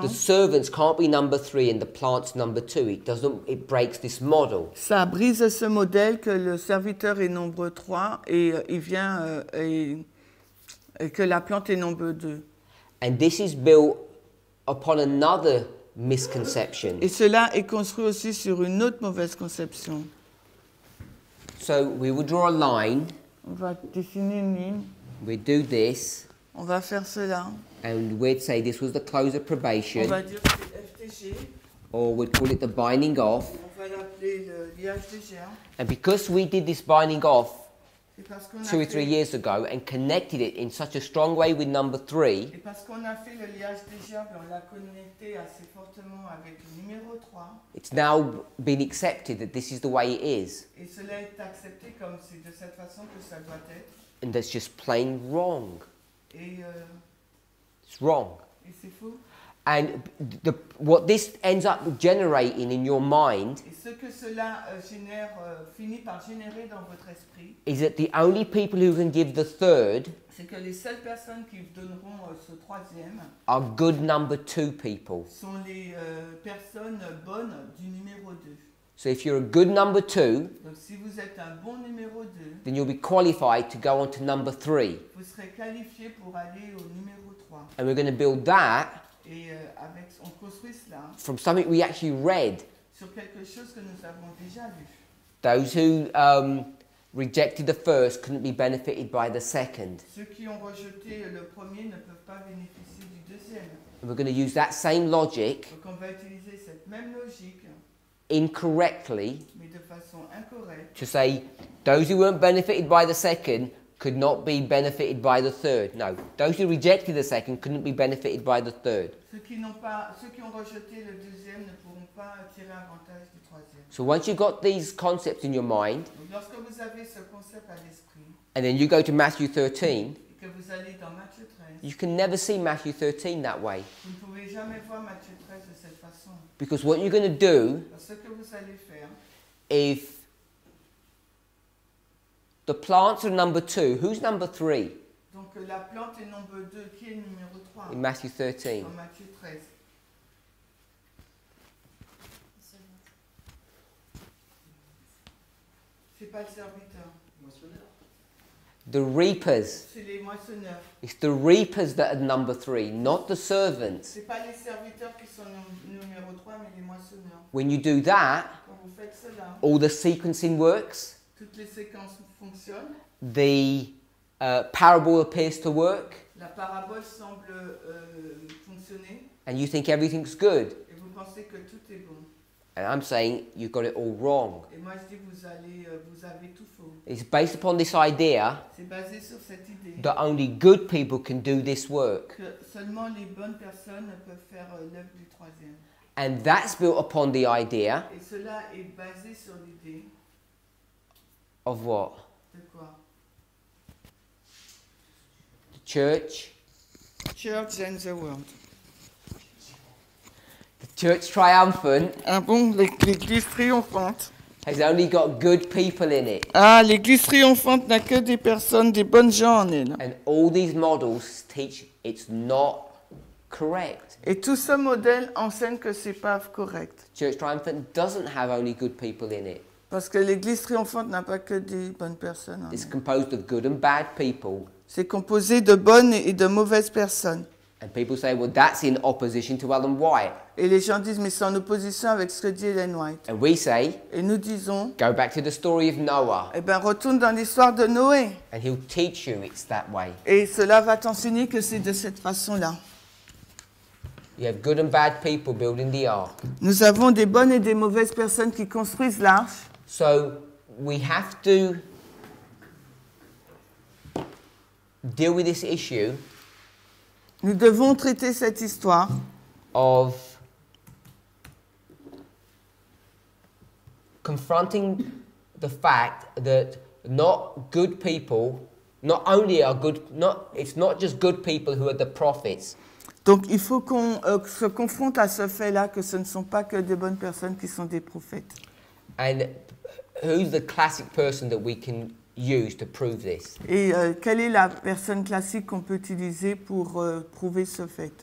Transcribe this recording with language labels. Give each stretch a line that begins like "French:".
English: the servants can't be number 3 and the plants number 2. It breaks this model.
French: Ça brise ce modèle que le serviteur est nombre 3 et il vient et que la plante est nombre 2.
English: And this is built upon another misconception.
French: Et cela est construit aussi sur une autre mauvaise conception.
English: So we will draw a line.
French: On va dessiner une ligne.
English: We do this.
French: On va faire cela.
English: And we'd say this was the close of probation.
French: On va dire c'est FTG.
English: Or we'd call it the binding off.
French: On va l'appeler l'IFTG.
English: And because we did this binding off two or three years ago and connected it in such a strong way with number 3.
French: Et parce qu'on a fait le liage déjà, on l'a connecté assez fortement avec le numéro 3.
English: It's now been accepted that this is the way it is.
French: Et cela est accepté comme c'est de cette façon que ça doit être.
English: And that's just plain wrong.
French: Et
English: it's wrong.
French: Et c'est faux.
English: And what this ends up generating in your mind,
French: et ce que cela génère, finit par générer dans votre esprit,
English: is that the only people who can give the third,
French: c'est que les seules personnes qui donneront ce troisième,
English: are good number two people.
French: Sont les personnes bonnes du numéro deux.
English: So if you're a good number two,
French: donc si vous êtes un bon numéro deux,
English: then you'll be qualified to go on to number three.
French: Vous serez qualifié pour aller au numéro trois.
English: And we're going to build that.
French: Et avec, on construit cela.
English: From something we actually read.
French: Sur quelque chose que nous avons déjà lu.
English: Those who rejected the first couldn't be benefited by the second.
French: Ceux qui ont rejeté le premier ne peuvent pas bénéficier du deuxième.
English: And we're going to use that same logic.
French: Donc on va utiliser cette même logique.
English: Incorrectly.
French: Mais de façon incorrecte.
English: To say those who weren't benefited by the second could not be benefited by the third. No, those who rejected the second couldn't be benefited by the third.
French: Ceux qui ont rejeté le deuxième ne pourront pas tirer avantage du troisième.
English: So once you've got these concepts in your mind,
French: lorsque vous avez ce concept à l'esprit,
English: and then you go to Matthew 13,
French: que vous allez dans Matthieu 13,
English: you can never see Matthew 13 that way.
French: Vous ne pouvez jamais voir Matthieu 13 de cette façon.
English: Because what you're going to do,
French: ce que vous allez faire,
English: if the plants are number 2. Who's number 3?
French: Donc la plante est
English: number
French: 2. Qui est numéro 3?
English: In Matthew 13.
French: En Matthieu 13. C'est pas le serviteur.
English: The reapers.
French: C'est les moissonneurs.
English: It's the reapers that are number 3, not the servants.
French: C'est pas les serviteurs qui sont numéro 3, mais les moissonneurs.
English: When you do that,
French: quand vous faites cela,
English: all the sequencing works.
French: Toutes les séquences fonctionnent.
English: The parable appears to work.
French: La parabole semble fonctionner.
English: And you think everything's good.
French: Et vous pensez que tout est bon.
English: And I'm saying you've got it all wrong.
French: Et moi je dis vous allez, vous avez tout faux.
English: It's based upon this idea.
French: C'est basé sur cette idée.
English: That only good people can do this work.
French: Que seulement les bonnes personnes peuvent faire l'œuvre du troisième.
English: And that's built upon the idea.
French: Et cela est basé sur l'idée.
English: Of what?
French: De quoi?
English: The church. Church and the world. The church triumphant.
French: Ah bon, l'église triomphante.
English: Has only got good people in it.
French: Ah, l'église triomphante n'a que des personnes, des bonnes gens en elle.
English: And all these models teach it's not correct.
French: Et tout ce modèle enseigne que c'est pas correct.
English: The church triumphant doesn't have only good people in it.
French: Parce que l'église triomphante n'a pas que des bonnes personnes.
English: It's composed of good and bad people.
French: C'est composé de bonnes et de mauvaises personnes.
English: And people say, well, that's in opposition to Ellen White.
French: Et les gens disent, mais c'est en opposition avec ce que dit Ellen White.
English: And we say,
French: et nous disons,
English: go back to the story of Noah.
French: Et ben, retourne dans l'histoire de Noé.
English: And he'll teach you it's that way.
French: Et cela va t'enseigner que c'est de cette façon-là.
English: You have good and bad people building the ark.
French: Nous avons des bonnes et des mauvaises personnes qui construisent l'arche.
English: So we have to deal with this issue.
French: Nous devons traiter cette histoire
English: of confronting the fact that not good people, not only are good, not it's not just good people who are the prophets.
French: Donc il faut qu'on se confronte à ce fait-là que ce ne sont pas que des bonnes personnes qui sont des prophètes.
English: And who's the classic person that we can use to prove this?
French: Et quelle est la personne classique qu'on peut utiliser pour prouver ce fait?